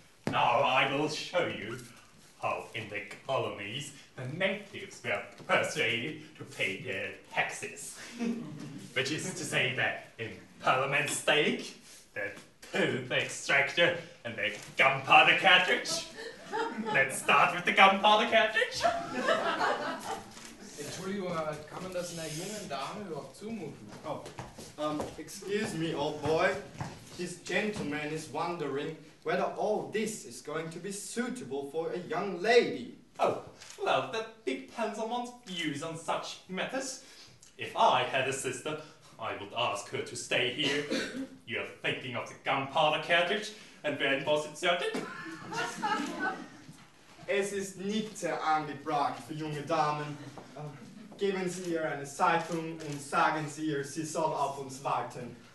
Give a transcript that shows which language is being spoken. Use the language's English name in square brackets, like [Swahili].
[English] Now I will show you how in the colonies the natives were persuaded to pay their taxes. Which is to say that in Parliament stake, the tooth extractor and the gunpowder cartridge. Let's start with the gunpowder cartridge. [German] Entschuldigung, kann man das einer jungen Dame überhaupt zumuten? [English] Oh, excuse me, old boy. This gentleman is wondering whether all this is going to be suitable for a young lady. Oh, well, that depends on one's views on such matters. If I had a sister, I would ask her to stay here. You are thinking of the gunpowder cartridge and when was inserted? [German] Es ist nicht sehr angebracht für junge Damen. Geben Sie ihr eine Zeitung und sagen Sie ihr, sie soll auf uns warten.